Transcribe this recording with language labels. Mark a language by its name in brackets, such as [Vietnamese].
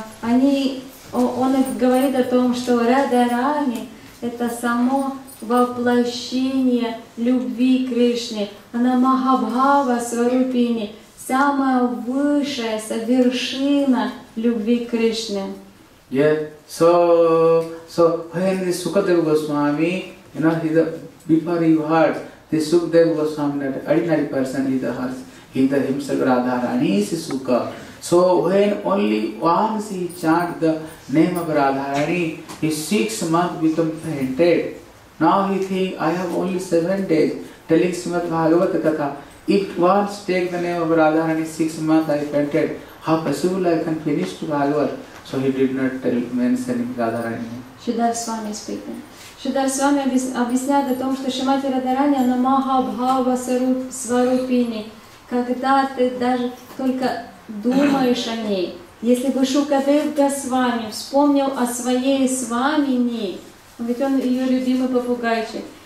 [Russian] Он говорит о том, что Радхарани — это само воплощение любви Кришны. Она Махабхава Сварупини, самая высшая совершина любви Кришны. [English] Yeah, so when the Sukadeva Goswami, you know, he's the, before you heard, the Sukadeva Goswami, that ordinary person, he's the himself Radharani is Sukha. So when only once he chant the name of Radharani, he 6 months become fainted. Now he think, I have only 7 days, telling Srimad Bhagavat Katha, if once take the name of Radharani, 6 months I fainted, how possible I can finish to Bhagavat? So he did not tell mentioning Radharani. Sridhar Swami speaking. [Russian] Sridhar Swami объясняет о том, что Шримати Радхарани, она Махабхава Сварупини. Когда ты даже только думаешь о ней, если бы Шукадев Госвами вспомнил о своей Свамини, ведь он ее любимый попугайчик,